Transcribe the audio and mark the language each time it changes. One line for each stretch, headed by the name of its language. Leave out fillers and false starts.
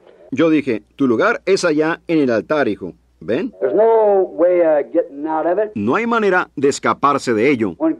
Spanish: Yo dije, tu lugar es allá en el altar, hijo. ¿Ven?
English: There's no way of getting out of it.
Spanish: No hay manera de escaparse de ello.